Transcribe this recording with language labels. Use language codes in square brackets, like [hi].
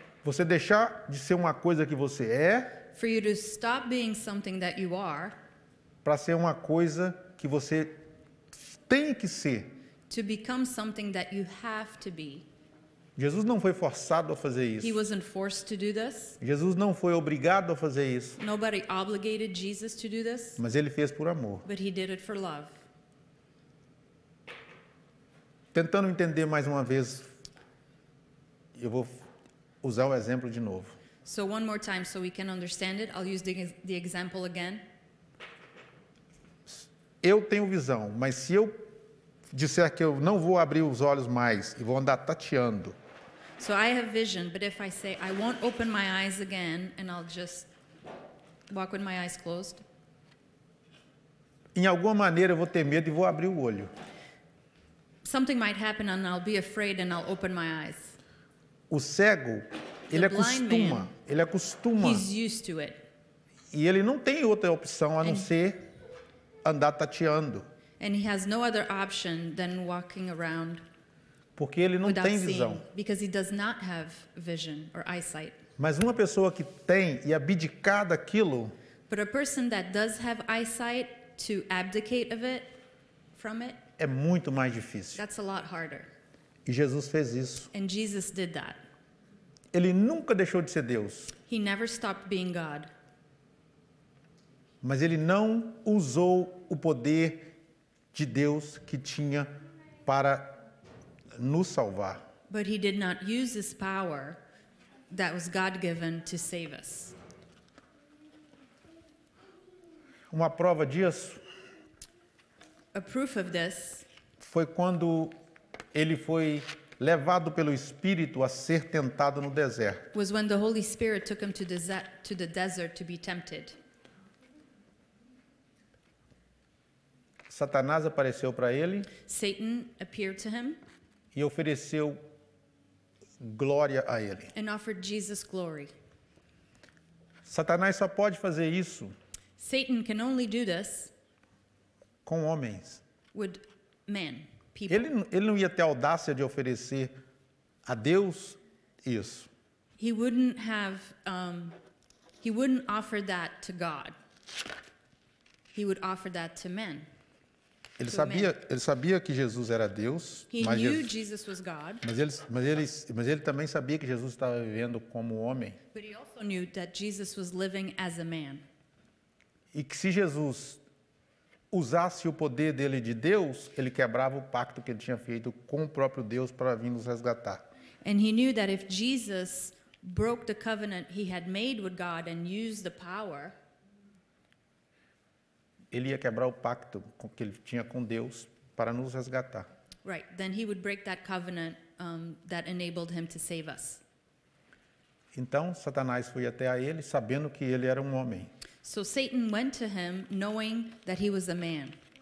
[pt] Você deixar de ser uma coisa que você é, [en] for you to stop being something that you are, [pt] para ser uma coisa que você tem que ser, [en] to become something that you have to be. [pt] Jesus não foi forçado a fazer isso. [en] He wasn't forced to do this. [pt] Jesus não foi obrigado a fazer isso. [en] Nobody obligated Jesus to do this. [pt] Mas ele fez por amor. [en] But he did it for love. [pt] Tentando entender mais uma vez, eu vou usar o exemplo de novo. [en] So one more time, so we can understand it, I'll use the example again. [pt] Eu tenho visão, mas se eu disser que eu não vou abrir os olhos mais e vou andar tateando. [en] So I have vision, but if I say I won't open my eyes again and I'll just walk with my eyes closed. [pt] Em alguma maneira eu vou ter medo e vou abrir o olho. [en] Something might happen and I'll be afraid and I'll open my eyes. [pt] O cego, ele acostuma, ele acostuma. [en] He's used to it. [pt] E ele não tem outra opção a não ser andar tateando. [en] And he has no other option than walking around. [pt] Porque ele não tem visão. [en] Because he does not have vision or eyesight. [pt] Mas uma pessoa que tem e abdicar daquilo, [en] but a person that does have eyesight to abdicate of it from it, [pt] é muito mais difícil. [en] That's a lot harder. [pt] E Jesus fez isso. [en] And Jesus did that. [pt] Ele nunca deixou de ser Deus. [en] He never stopped being God. [pt] Mas ele não usou o poder de Deus que tinha para nos salvar. [en] But he did not use his power that was God-given to save us. [pt] Uma prova disso, [en] a proof of this, [pt] foi quando ele foi levado pelo Espírito a ser tentado no deserto. [en] Was when the Holy Spirit took him to the desert to be tempted. [pt] Satanás apareceu para ele. [en] Satan appeared to him. [pt] E ofereceu glória a ele. [en] And offered Jesus glory. [pt] Satanás só pode fazer isso. [en] Satan can only do this. [pt] Com homens. [en] With men. [pt] Ele não ia ter a audácia de oferecer a Deus isso. [en] He wouldn't have, he wouldn't offer that to God. He would offer that to men. [pt] Ele sabia que Jesus era Deus. [en] He [pt] mas [en] knew Jesus, Jesus was God. [pt] Mas ele também sabia que Jesus estava vivendo como homem. [en] But he also knew that Jesus was living as a man. [pt] E que se Jesus usasse o poder dele de Deus, ele quebrava o pacto que ele tinha feito com o próprio Deus para vir nos resgatar. [en] And he knew that if Jesus broke the covenant he had made with God and used the power, [pt] ele ia quebrar o pacto que ele tinha com Deus para nos resgatar. [en] Right, then he would break that covenant that enabled him to save us. [pt] Então Satanás foi até a ele sabendo que ele era um homem. [en] So Satan went to him knowing that he was a man.